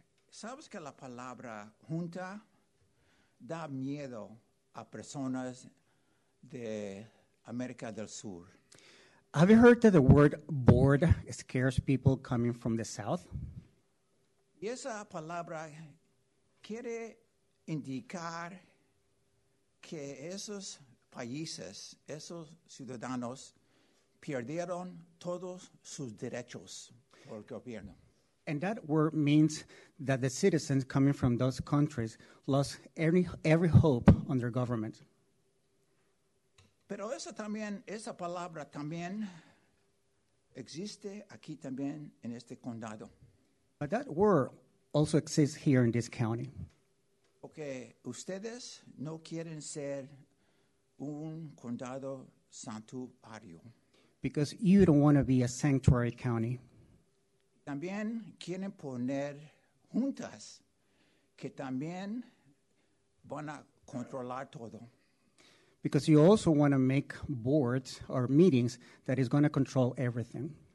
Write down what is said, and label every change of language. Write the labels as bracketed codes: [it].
[es] Sabes que la palabra junta da miedo a personas de América del Sur. [en] Have you heard that the word board scares people coming from the south? [es] Y esa palabra quiere indicar que esos países, esos ciudadanos, perdieron todos sus derechos por el gobierno. [en] And that word means that the citizens coming from those countries lost every hope on their government. [es] Pero esa palabra también existe aquí también en este condado. [en] But that word also exists here in this county. [es] Okay, ustedes no quieren ser un condado santuario. [en] Because you don't want to be a sanctuary county. [es] También quieren poner juntas que también van a controlar todo. [en] Because you also want to make boards or meetings that is going to control everything.